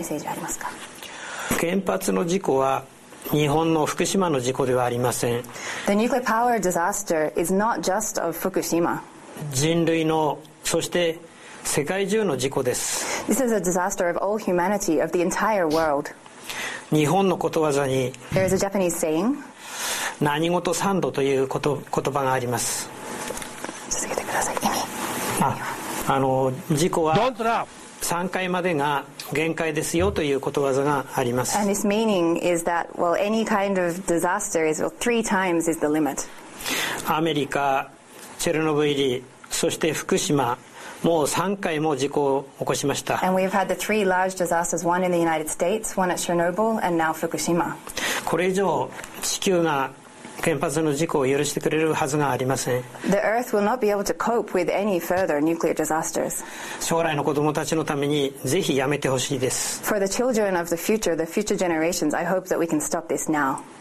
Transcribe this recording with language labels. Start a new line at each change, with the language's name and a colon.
English: The nuclear power disaster is not just of Fukushima. This is a disaster of all humanity, of the entire world. There is a Japanese saying,
Japanese: 何事三度という言葉があります。
English: Don't laugh.
Japanese: 3回までが限界ですよということわざがあります。
English: And this meaning is that, well, any kind of disaster is, well, three times is the limit.
Japanese: アメリカ、 チェルノブイリ、 そして福島、 もう3回も事故を起こしました。
English: And we've had the three large disasters, one in the United States, one at Chernobyl, and now Fukushima.
Japanese: これ以上地球が 原発の事故を許してくれるはずがありません。
English: The Earth will not be able to cope with any further nuclear disasters.
Japanese: 将来の子供たちのためにぜひやめてほしいです。
English: For the children of the future, the future generations, I hope that we can stop this now.